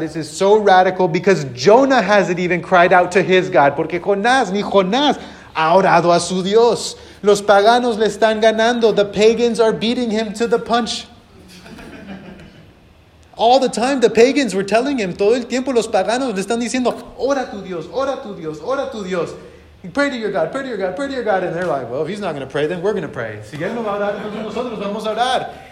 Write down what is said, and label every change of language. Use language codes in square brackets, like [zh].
[en] This is so radical because Jonah hasn't even cried out to his God. [es] Porque Jonás, ni Jonás, ha orado a su Dios. Los paganos le están ganando. [en] The pagans are beating him to the punch. All the time, the pagans were telling him. [es] Todo el tiempo, los paganos le están diciendo, ora tu Dios, ora tu Dios, ora tu Dios. [en] Pray to your God, pray to your God, pray to your God. And they're like, well, if he's not going to pray, then we're going to pray. [es] Si él no va a orar, nosotros vamos a orar.